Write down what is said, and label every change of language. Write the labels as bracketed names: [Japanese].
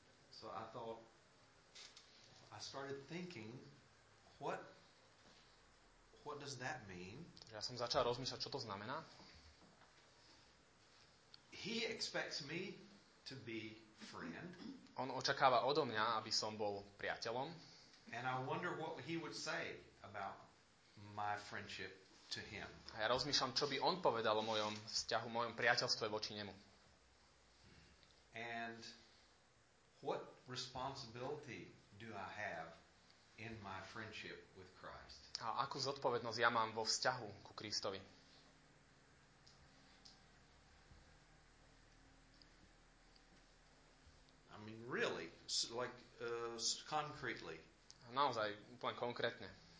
[English] So I started thinking, what does that mean? [Slovak] Ja som začal rozmýšľať, čo to znamená. [English] He expects me to be friend. [Slovak] On očakáva odo mňa, aby som bol priateľom. [English] And I wonder what he would say about my friendship to him. [Slovak] A ja rozmýšľam, čo by on povedal o mojom vzťahu, mojom priateľstve voči nemu. [English] And what responsibility do I have in my friendship with Christ? [Slovak] A akú zodpovednosť ja mám vo vzťahu ku Kristovi? [English] I mean really, like concretely. [Slovak] Naozaj, úplne konkrétne.